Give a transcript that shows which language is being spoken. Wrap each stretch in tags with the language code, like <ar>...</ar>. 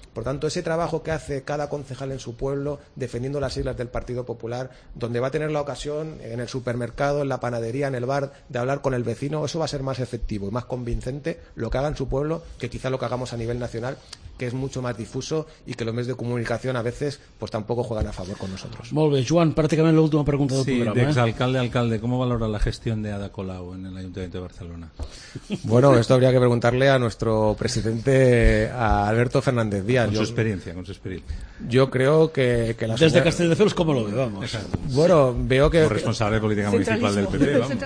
<es>Por tanto, ese trabajo que hace cada concejal en su pueblo defendiendo las siglas del Partido Popular, donde va a tener la ocasión en el supermercado, en la panadería, en el bar, de hablar con el vecino, eso va a ser más efectivo y más convincente lo que haga en su pueblo que quizá lo que hagamos a nivel nacional, que es mucho más difuso y que los medios de comunicación a veces pues tampoco juegan a favor con nosotros.</es> <ca>Molt bé, Joan, pràcticament l'última pregunta del programa.</ca> <es>Sí, d'exalcalde, alcalde, ¿cómo valora la gestión de Ada Colau en el Ayuntamiento de Barcelona? Bueno, esto habría que preguntarle a nuestro presidente, a Alberto Fernández Díaz. Con su experiencia. Yo creo que la desde Castelldefels, ¿cómo lo ve? Vamos. Bueno, veo que... Como responsable de política municipal del PP, vamos.</es>